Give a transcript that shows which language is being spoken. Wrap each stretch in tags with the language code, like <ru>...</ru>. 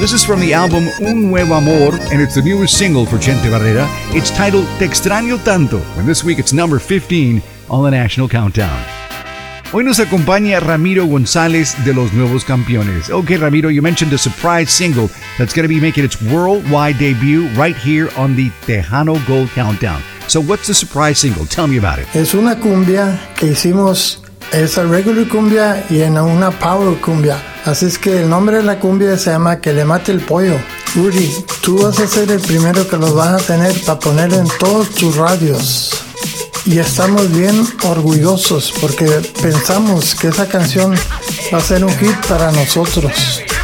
<en>This is from the album Un Nuevo Amor, and it's the newest single for Chente Barrera. It's titled Te Extraño Tanto, and this week it's number 15 on the National Countdown.</en> <es>Hoy nos acompaña Ramiro González de Los Nuevos Campeones.</es> <en>Okay, Ramiro, you mentioned a surprise single that's going to be making its worldwide debut right here on the Tejano Gold Countdown. So what's the surprise single? Tell me about it.</en> <es>Es una cumbia que hicimos. Es</es> <en>a regular cumbia</en> <es>y en una power cumbia. Así es que el nombre de la cumbia se llama Que le mate el pollo. Uri, tú vas a ser el primero que los vas a tener para poner en todos tus radios. Y estamos bien orgullosos porque pensamos que esa canción va a ser un hit para nosotros.</es>